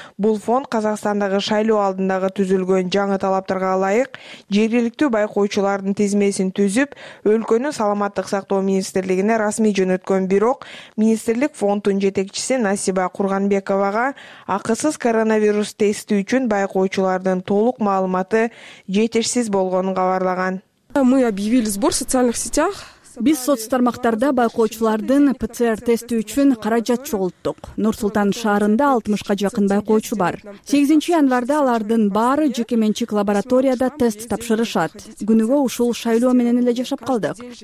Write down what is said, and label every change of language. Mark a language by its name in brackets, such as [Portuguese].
[Kyrgyz] Бул фонд Казакстандагы шайлоо алдындагы түзүлгөн жаңы талаптарга ылайык жергиликтүү байкоочулардын тизмесин түзүп, өлкөнүн саламаттык сактоо министрлигине расмий жөнөткөн. Бирок министрлик фонддун жетекчиси Насиба Курганбековага акысыз коронавирус тести үчүн байкоочулардын толук маалыматы жетишсиз болгонун кабарлаган. [Russian] Мы объявили сбор в социальных сетях. [Kyrgyz] Биз соцтармактарда байкоочулардын ПЦР тести үчүн каражат чогултук. Нур-Султан шаарында 60 жакын байкоочу бар. 8 январда алардын баары жеке менчик лабораторияда тест тапшырышат. Күнүгө ушул шайлоо менен эле жашап калдык.